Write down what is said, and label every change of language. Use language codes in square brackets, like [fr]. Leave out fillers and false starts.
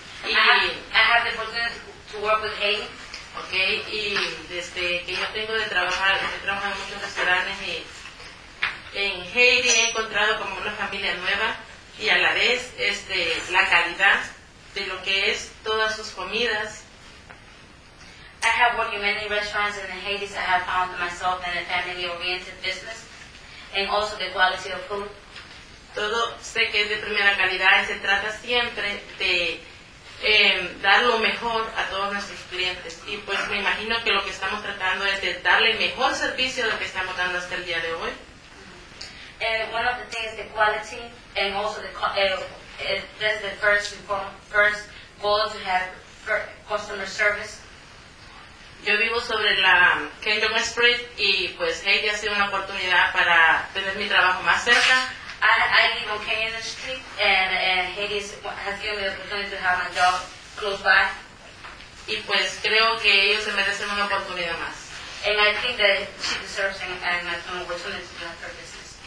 [en] I have the opportunity to work with Heidi. [es] Okay, y desde que yo tengo de trabajar, he trabajado en muchos restaurantes y en Heidi he encontrado como una familia nueva y a la vez la calidad de lo que es todas sus comidas. [en] I have worked in many restaurants and in Haiti I have found myself in a family-oriented business and also the quality of food. [es] Todo sé que es de primera calidad y se trata siempre de dar lo mejor a todos nuestros clientes. Y pues me imagino que lo que estamos tratando es de darle mejor servicio de lo que estamos dando hasta el día de hoy. [en] One of the things is the quality and also that's the first goal to have customer service. [es] Yo vivo sobre la Kingdom Street y pues Haiti ha sido una oportunidad para tener mi trabajo más cerca. [en] I live on Kingdom Street and Haiti has given me the opportunity to have my job close by. [es] Y pues creo que ellos se merecen una oportunidad más. [en] And I think that she deserves an opportunity to have her business.